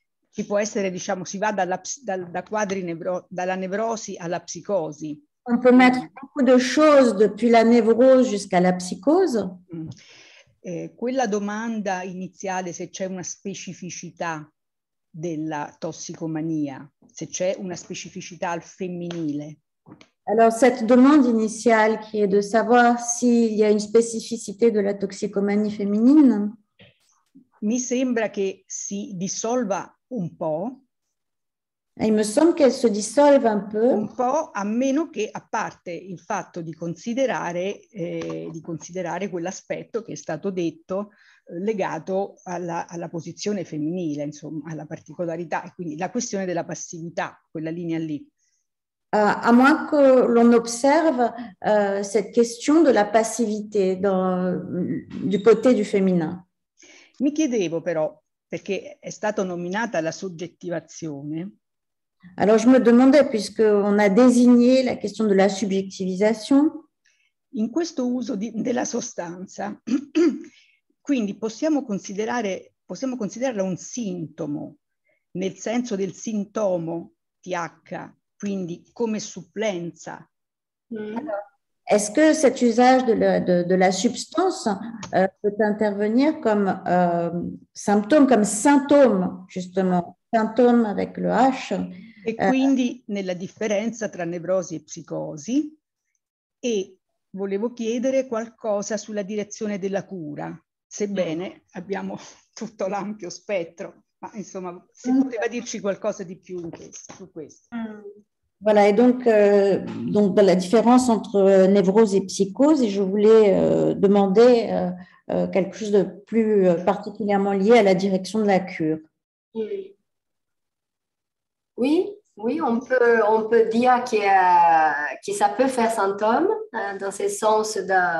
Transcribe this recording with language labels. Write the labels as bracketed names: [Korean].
[Italian] Ci può essere, diciamo, si va dalla nevrosi alla psicosi. [French] On peut mettre beaucoup de choses depuis la névrose jusqu'à la psicose. [Italian] Quella domanda iniziale, se c'è una specificità della tossicomania, se c'è una specificità al femminile. [French] Alors, cette demande initiale qui est de savoir s'il y a une spécificité de la toxicomanie féminine. [Italian] Mi sembra che si dissolva un po'. [French] Il me semble qu'elle se dissolve un peu. [Italian] Un po', a meno che, a parte il fatto di considerare quell'aspetto che è stato detto legato alla posizione femminile, insomma, alla particolarità, e quindi la questione della passività, quella linea lì. [French] À moins que l'on observe cette question de la passivité du côté du féminin. [Italian] Mi chiedevo però, perché è stata nominata la soggettivazione. [French] Alors je me demandais, puisque on a désigné la question de la subjectivisation. [Italian] In questo uso della sostanza, quindi possiamo considerarla un sintomo, nel senso del sintomo TH. Quindi come supplenza. [French] Est-ce que cet usage de la substance peut intervenir comme symptôme, comme symptôme, justement, symptôme avec le H? [Italian] E quindi nella differenza tra nevrosi e psicosi, e volevo chiedere qualcosa sulla direzione della cura, sebbene abbiamo tutto l'ampio spettro, ma insomma, se poteva dirci qualcosa di più su questo. [French] Voilà, et donc la différence entre névrose et psychose, et je voulais demander quelque chose de plus particulièrement lié à la direction de la cure. Oui, oui, on peut dire que ça peut faire symptôme, dans ce sens de...